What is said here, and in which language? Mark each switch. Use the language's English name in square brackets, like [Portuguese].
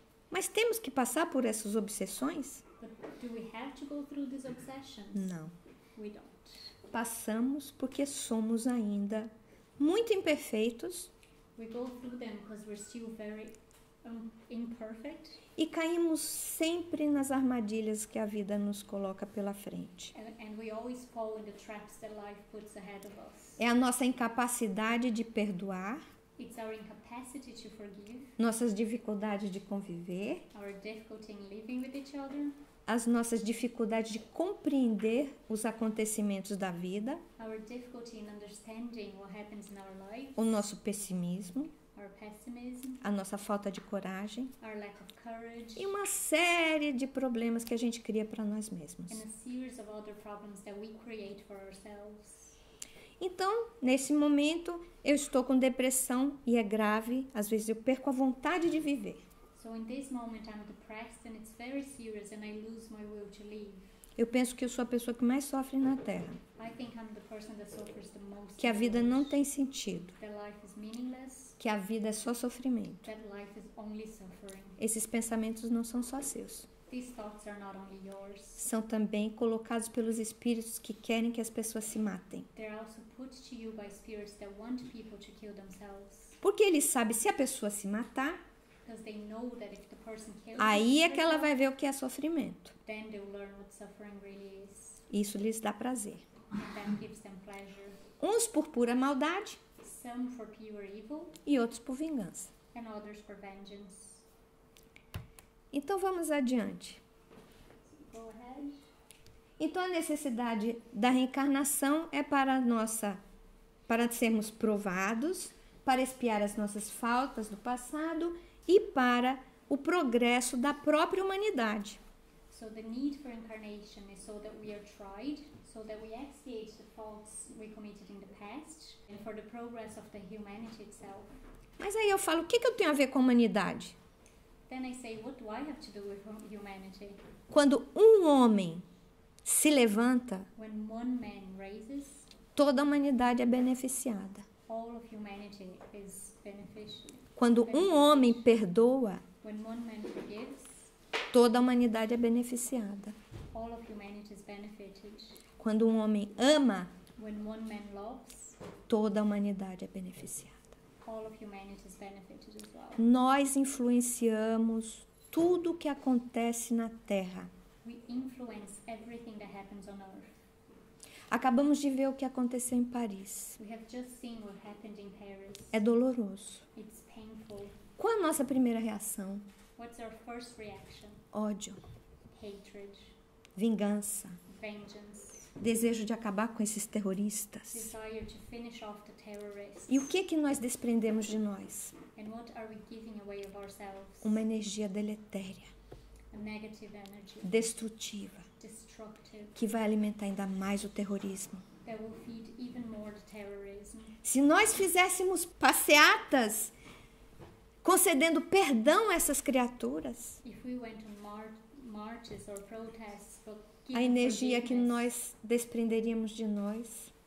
[Portuguese] Mas temos que passar por essas obsessões? [English] But do we have to go through these obsessions? [Portuguese] Não. [English] We don't. [Portuguese] Passamos porque somos ainda muito imperfeitos. [English] We go through them because we're still very imperfect. [Portuguese] E caímos sempre nas armadilhas que a vida nos coloca pela frente. [English] And we always fall in the traps that life puts ahead of us. [Portuguese] É a nossa incapacidade de perdoar. [English] It's our incapacity to forgive. [Portuguese] Nossas dificuldades de conviver. [English] Our difficulty in living with each other. [Portuguese] As nossas dificuldades de compreender os acontecimentos da vida. [English] Our difficulty in understanding what happens in our lives. [Portuguese] O nosso pessimismo. [English] Our pessimism. [Portuguese] A nossa falta de coragem. [English] Our lack of courage. [Portuguese] E uma série de problemas que a gente cria para nós mesmos. [English] And a series of other problems that we create for ourselves. [Portuguese] Então, nesse momento, eu estou com depressão e é grave. Às vezes eu perco a vontade de viver. [English] So in this moment I'm depressed and it's very serious and I lose my will to live. [Portuguese] Eu penso que eu sou a pessoa que mais sofre na Terra. [English] I think I'm the person that suffers the most. [Portuguese] Que a vida não tem sentido. [English] That life is meaningless. [Portuguese] Que a vida é só sofrimento. [English] That life is only suffering. [Portuguese] Esses pensamentos não são só seus. [English] These thoughts are not only yours. [Portuguese] São também colocados pelos espíritos que querem que as pessoas se matem. [English] They're also put to you by spirits that want people to kill themselves. [Portuguese] Porque eles sabem se a pessoa se matar. [English] Because they know that if the person kills [Portuguese] aí é que ela vai ver o que é sofrimento. [English] Then they will learn what suffering really is. [Portuguese] Isso lhes dá prazer. [English] And that gives them pleasure. [Portuguese] Uns por pura maldade. [English] Some for pure evil. [Portuguese] E outros por vingança. [English] And others for vengeance. [Portuguese] Então vamos adiante. [English] Go ahead. [Portuguese] Então a necessidade da reencarnação é para nossa, para sermos provados, para expiar as nossas faltas do passado e para o progresso da própria humanidade. [English] So the need for incarnation is so that we are tried, so that we expiate the faults we committed in the past and for the progress of the humanity itself. [Portuguese] Mas aí eu falo, o que que eu tenho a ver com a humanidade? [English] Then I say, what do I have to do with humanity? [Portuguese] Quando um homem se levanta, [English] when one man raises, [Portuguese] toda a humanidade é beneficiada. [English] All of humanity is beneficial. [Portuguese] Quando um homem perdoa, [English] when one man forgives, [Portuguese] toda a humanidade é beneficiada. [English] All of humanity is benefited. [Portuguese] Quando um homem ama, [English] when one man loves, [Portuguese] toda a humanidade é beneficiada. [English] All of humanity is benefited as well. [Portuguese] Nós influenciamos tudo o que acontece na Terra. [English] We influence everything that happens on Earth. [Portuguese] Acabamos de ver o que aconteceu em Paris. [English] We have just seen what happened in Paris. [Portuguese] É doloroso. [English] It's painful. [Portuguese] Qual a nossa primeira reação? [English] What's our first reaction? [Portuguese] Ódio. [English] Hatred. [Portuguese] Vingança. [English] Vengeance. [Portuguese] Desejo de acabar com esses terroristas. [English] Desire to finish off the terrorists. [Portuguese] E o que é que nós desprendemos de nós? [English] And what are we giving away of ourselves? [Portuguese] Uma energia deletéria. [English] A negative energy. [Portuguese] Destrutiva. Que vai alimentar ainda mais o terrorismo. [English] That will feed even more the terrorism. [Portuguese] Se nós fizéssemos passeatas concedendo perdão a essas criaturas, [English] if we went to marches or protests, but [Portuguese] a energia que nós desprenderíamos de nós,